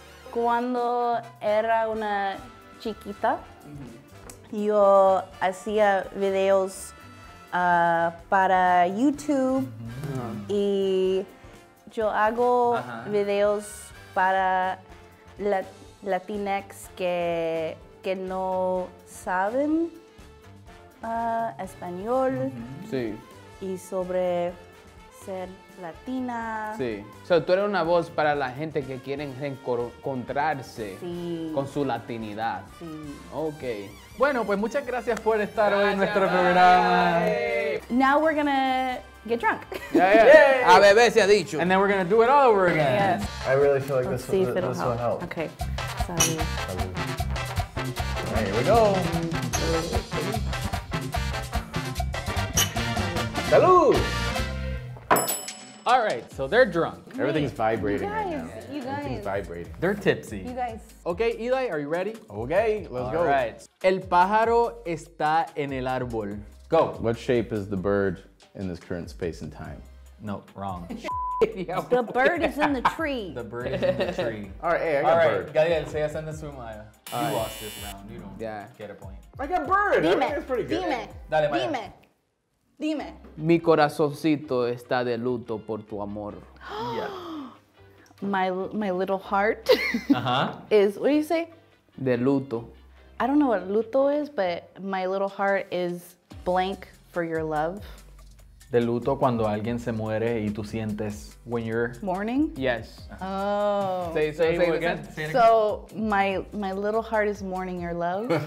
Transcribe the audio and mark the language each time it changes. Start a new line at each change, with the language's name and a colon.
Spanish: Cuando era una chiquita, yo hacía videos para YouTube y yo hago videos para Latinx que no saben español y sobre ser latina. Sí. O sea, tú eres una voz para la gente que quieren reencontrarse con su latinidad. Sí. Ok. Bueno, pues muchas gracias por estar hoy en nuestro programa.
English: Now we're gonna get drunk.
Spanish: Yeah. A beber se ha dicho.
English: And then we're gonna do it all over again. Yes. I really feel like this will help.
Spanish: Okay. Salud.
English: Here we go.
Spanish: Salud.
English: All right, so they're drunk. Everything's vibrating right now. You guys. Everything's vibrating. They're tipsy. You guys. Okay, Eli, are you ready? Okay, let's go.
Spanish: All right. El pájaro está en el árbol.
English: Go. What shape is the bird in this current space and time? No, wrong. The bird is in the tree. The bird is in the tree. All right, hey, I got bird. All right, Gadiel, say
Spanish: hacen de su
English: Maya. You lost this round. You don't get a point. I got bird.
Spanish: Dime.
English: That's pretty good.
Spanish: Dime. Dale, Maya. Dime. Dime. Mi corazoncito está de luto por tu amor.
English: Yeah. My little heart is, what do you say?
Spanish: De luto.
English: I don't know what luto is, but my little heart is blank for your love.
Spanish: De luto cuando alguien se muere y tú sientes.
English: When you're mourning? Yes. Oh. Say it again. Say so my little heart is mourning your love.